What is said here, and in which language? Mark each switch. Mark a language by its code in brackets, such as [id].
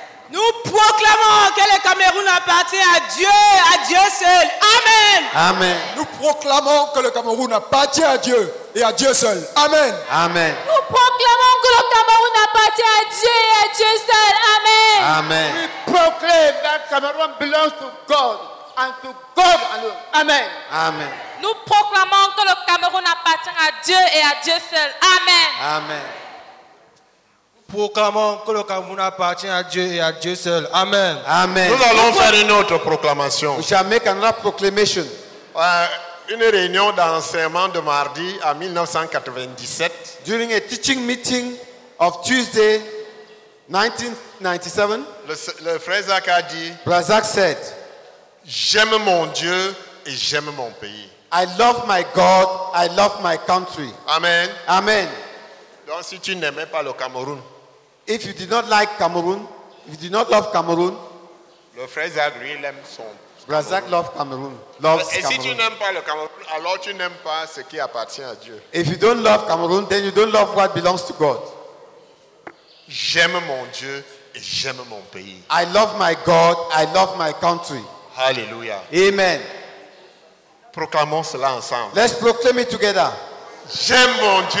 [fr] Nous proclamons que le Cameroun appartient à Dieu seul. Amen. Amen. Nous proclamons que le Cameroun appartient à Dieu et à Dieu seul. Amen. Amen. Nous proclamons que le Cameroun appartient à Dieu et à Dieu seul. Amen. Amen. [en] We proclaim that Cameroun belongs to God and to God alone. Amen. Amen. [fr] Nous proclamons que le Cameroun appartient à Dieu et à Dieu seul. Amen. Amen. Nous proclamons que le Cameroun appartient à Dieu et à Dieu seul. Amen. Amen. Nous allons faire une autre proclamation. [en] We shall make another proclamation. [fr] Une réunion d'enseignement de mardi en 1997. [en] During a teaching meeting of Tuesday 1997. [fr] Le frère Zach a dit. [en] Brother Zach said. [fr] J'aime mon Dieu et j'aime mon pays. [en] I love my God, I love my country. Amen. Amen. [fr] Donc si tu n'aimais pas le Cameroun. [en] If you did not like Cameroun, if you did not love Cameroun. [fr] Le frère Zach really aime son Cameroun. [en] Brother Zach loves Cameroun, loves [fr] et Et si tu n'aimes pas le Cameroun, alors tu n'aimes pas ce qui appartient à Dieu. [en] If you don't love Cameroun, then you don't love what belongs to God. [fr] J'aime mon Dieu et j'aime mon pays. [en] I love my God, I love my country. Hallelujah. Amen. [fr] Proclamons cela ensemble. [en] Let's proclaim it together. [fr] J'aime mon Dieu.